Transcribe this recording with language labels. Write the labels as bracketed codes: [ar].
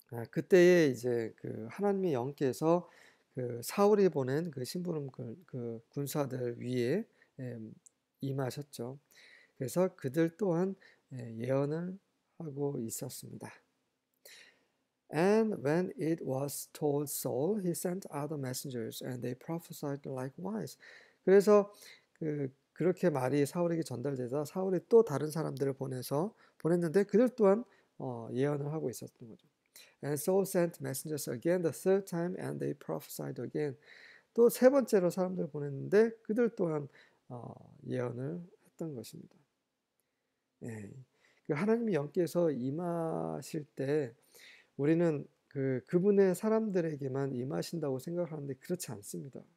[ko] 그때에 이제 그 하나님의 영께서 그 사울이 보낸 그 심부름꾼 그 군사들 위에 임하셨죠. 그래서 그들 또한 예언을 하고 있었습니다. [en] And when it was told Saul, he sent other messengers, and they prophesied likewise. [ko] 그래서 그렇게 말이 사울에게 전달되자 사울이 또 다른 사람들을 보냈는데 그들 또한 예언을 하고 있었던 거죠. [en] And Saul sent messengers again the third time, and they prophesied again. [ko] 또세 번째로 사람들을 보냈는데 그들 또한 예언을 했던 것입니다. 그 하나님이 영께서 임하실 때 우리는 그분의 사람들에게만 임하신다고 생각하는데 그렇지 않습니다.